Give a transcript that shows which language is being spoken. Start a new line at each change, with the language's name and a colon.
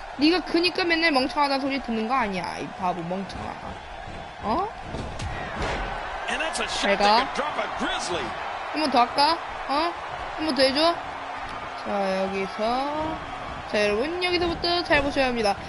Korean: 네가 크니까 맨날 멍청하다는 소리 듣는 거 아니야. 이 바보 멍청아. 어?
English: And that's a shot that could drop a grizzly.
Korean: 한번 더 할까? 어? 한번 더 해줘. 자 여기서 자 여러분 여기서부터 잘 보셔야 합니다.